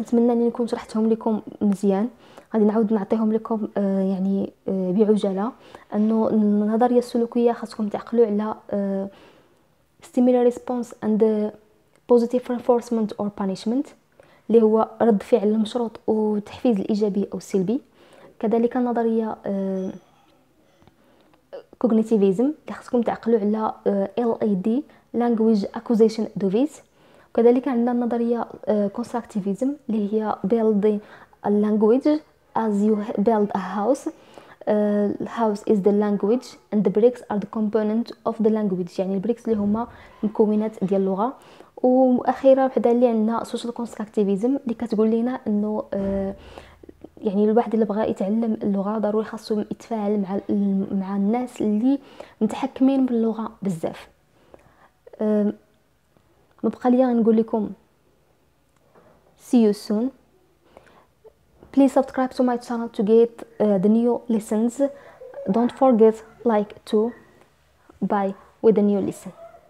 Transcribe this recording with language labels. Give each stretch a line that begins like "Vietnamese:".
Arabic: نتمنى اني نكون شرحتهم لكم مزيان. غادي نعاود نعطيهم لكم يعني بعجاله، انه النظريه السلوكيه خاصكم تعقلوا على
English: stimulus response and positive reinforcement or punishment
Arabic: اللي هو رد فعل المشروط والتحفيز الايجابي او السلبي. كذلك النظريه cognitivism اللي خاصكم تعقلوا على LAD language acquisition device. كذلك عندنا النظريه
English: constructivism
Arabic: اللي هي
English: building a language as you build a house. House is the language and the bricks are the component of the language.
Arabic: يعني البريكس اللي هما مكونات ديال اللغه. واخيرا وحده اللي عندنا social constructivism اللي كتقول لنا انه يعني الواحد اللي بغى يتعلم اللغة ضروري خاصو يتفاعل مع الناس اللي متحكمين باللغة بزاف. مبقى ليا نقول لكم
English: see you soon, please subscribe to my channel to get the new lessons, don't forget like too, bye with a new lesson.